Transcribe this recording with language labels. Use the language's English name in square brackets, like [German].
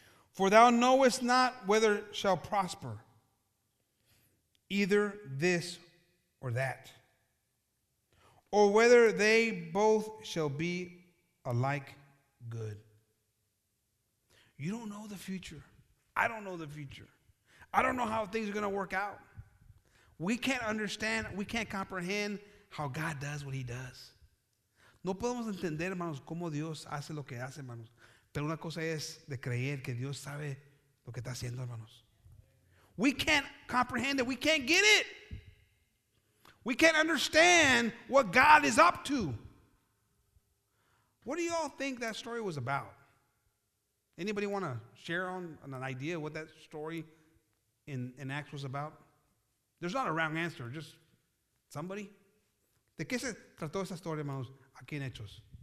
[English] For thou knowest not whether shall prosper, either this or that, or whether they both shall be alike good. You don't know the future. I don't know the future. I don't know how things are going to work out. We can't understand, we can't comprehend how God does what he does. [Spanish] No podemos entender, hermanos, cómo Dios hace lo que hace, hermanos. Pero una cosa es de creer que Dios sabe lo que está haciendo, hermanos. [English] We can't comprehend it. We can't get it. We can't understand what God is up to. What do y'all think that story was about? Anybody want to share on an idea what that story in Acts was about? There's not a wrong answer, just somebody. [Spanish] ¿De qué se trató esa historia, hermanos, aquí en Hechos?